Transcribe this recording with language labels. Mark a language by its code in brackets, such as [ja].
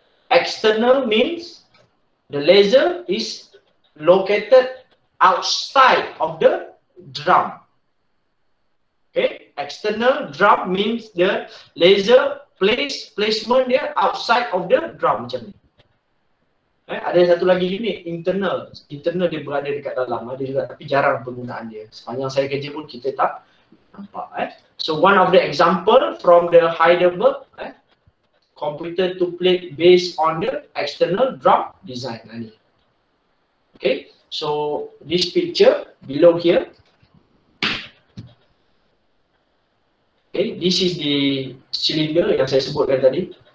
[en] External means the laser is located outside of the drum. Okay, external drum means the laser placement [ms] dia [en] outside of the drum [ms] macam ni. Eh, ada satu lagi unit, internal. Internal dia berada dekat dalam, ada juga tapi jarang penggunaan dia. Sepanjang saya kerja pun kita tak nampak. Eh. [en] So, one of the example from the Heidelberg, computer to plate based on the external drum design. [ms] Ini. [en] Okay, so this picture below here. Okay, this is the cylinder [ms] yang saya sebutkan tadi.